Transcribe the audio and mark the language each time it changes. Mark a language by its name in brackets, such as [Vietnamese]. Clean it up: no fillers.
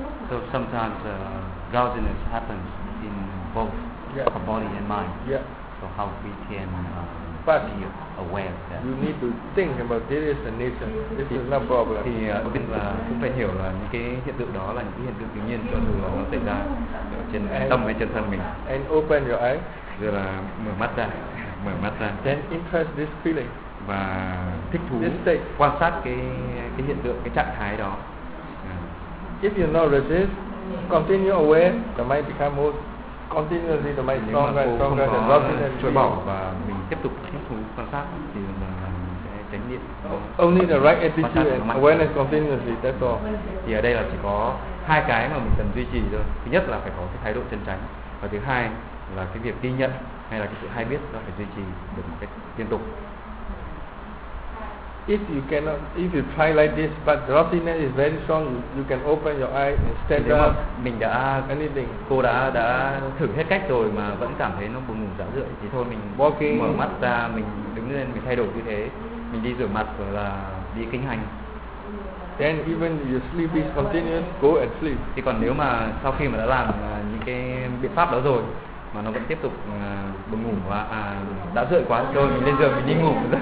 [English] So sometimes drowsiness happens in both our body and mind. Yeah. So how we can but be aware of that? You need to think about this is a nation. This is not problem. [Vietnamese] Thì mình là cũng phải hiểu là những cái hiện tượng đó là những cái hiện tượng tự nhiên cho dù nó xảy ra trên tâm hay trên thân mình. [English] And open your eyes. [Vietnamese] Rồi là mở mắt ra, mở mắt ra. [English] Then interest this feeling. [Vietnamese] Và thích thú quan sát cái hiện tượng, cái trạng thái đó. [English] If you not resist, continue aware, the mind become more. Continuously the mind stronger and stronger and loving and [Vietnamese] và mình tiếp tục thích thú quan sát thì mình sẽ tránh niệm. [English] Only the right attitude and awareness continuously, that's all. [Vietnamese] Thì ở đây là chỉ có hai cái mà mình cần duy trì thôi. Thứ nhất là phải có cái thái độ chân tránh. Và thứ hai là cái việc ghi nhận hay là cái sự hay biết nó phải duy trì được một cách liên tục. [English] If you cannot, if you try like this, but the drowsiness is very strong, you can open your eyes and stand up. [Vietnamese] Mình đã [English] anything. [Vietnamese] Cô đã thử hết cách rồi mà vẫn cảm thấy nó buồn ngủ rã rượi thì thôi mình [English] walking. [Vietnamese] Mở mắt ra, mình đứng lên, mình thay đổi tư thế, mình đi rửa mặt rồi là đi kinh hành. [English] Then even your sleep is continuous, go and sleep. [Vietnamese] Thì còn nếu mà sau khi mà đã làm những cái biện pháp đó rồi mà nó vẫn tiếp tục buồn ngủ và đã rượi quá thôi mình lên giường mình đi ngủ